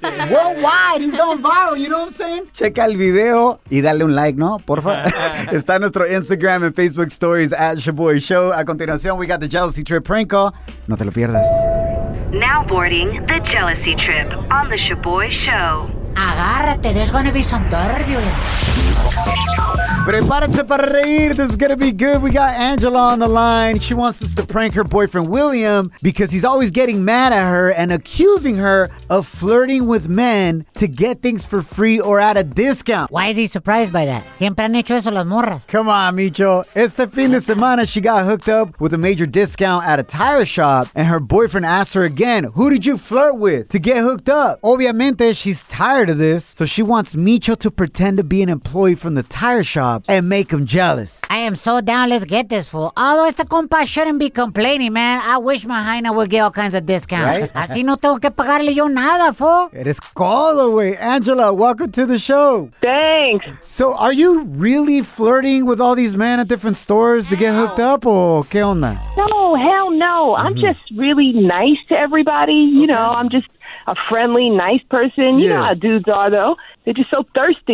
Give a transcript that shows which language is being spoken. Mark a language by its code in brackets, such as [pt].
[en] Worldwide, he's going viral, you know what I'm saying? [es] Checa el video y dale un like, ¿no? Porfa. Está en nuestro Instagram [en] and Facebook stories at [es] Shaboy Show. A continuación, [en] we got the Jealousy Trip prank call. [es] No te lo pierdas. [en] Now boarding the Jealousy Trip on the Shaboy Show. [es] Agárrate, [en] there's gonna be some turbulence. [es] Prepárate para reír, [en] this is gonna be good. We got Angela on the line. She wants us to prank her boyfriend William because he's always getting mad at her and accusing her of flirting with men to get things for free or at a discount. Why is he surprised by that? [es] Siempre han hecho eso las morras. [en] Come on, Micho. [es] Este fin de semana [en] she got hooked up with a major discount at a tire shop and her boyfriend asked her again, who did you flirt with to get hooked up? Obviamente, she's tired of this, so she wants Micho to pretend to be an employee from the tire shop and make him jealous. I am so down. Let's get this fool. Although [es] este compa [en] shouldn't be complaining, man. I wish my hyena would get all kinds of discounts. Right? [es] Así no tengo que pagarle yo nada, fool. [en] It is called away. Angela, welcome to the show. Thanks. So are you really flirting with all these men at different stores to get hooked up? [es] Or qué onda? [en] No, hell no. Mm-hmm. I'm just really nice to everybody. You know, I'm just a friendly, nice person. You know how dudes are, though. They're just so thirsty.